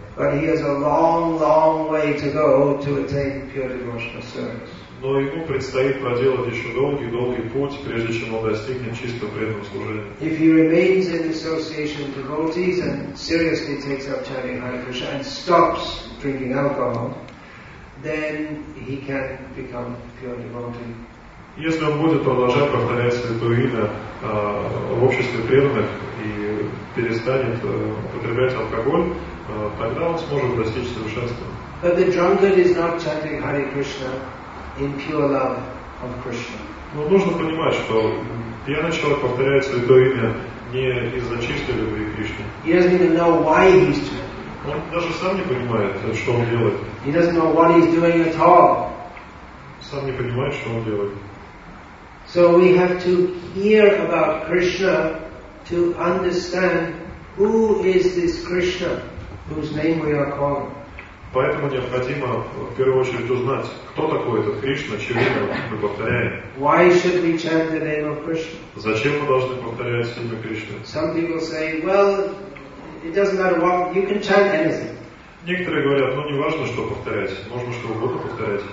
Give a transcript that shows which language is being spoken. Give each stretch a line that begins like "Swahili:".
English: But he has a long, long way to go to attain pure devotional service.
Russian: Но ему предстоит проделать еще долгий-долгий путь, прежде чем он достигнет чистого преданного служения.
English: If he remains in association with devotees and seriously takes up chanting Hare Krishna and stops drinking alcohol, then he can become pure devotee.
Russian: Если он будет продолжать повторять святое имя в обществе преданных и перестанет употреблять алкоголь, тогда он сможет достичь совершенства.
English: But the drunkard is not chanting Hare Krishna in pure love of Krishna.
Russian: Но нужно понимать, что пьяный человек повторяет святое имя не из-за чистой любви к Кришне.
English: He doesn't even know why he's chanting.
Russian: Он даже сам не понимает, что он делает.
English: He doesn't know what he's doing at all.
Russian: Сам не понимает, что он делает.
English: So we have to hear about Krishna to understand who is this Krishna whose name we are calling.
Russian: Поэтому необходимо в первую очередь узнать, кто такой этот Кришна, чьё имя мы повторяем.
English: Why should we chant the name of Krishna?
Russian: Зачем мы должны повторять имя Кришны?
English: Some people say, well, it doesn't matter what, you can chant anything.
Russian: Некоторые говорят, ну не важно, что повторять, можно что угодно повторять.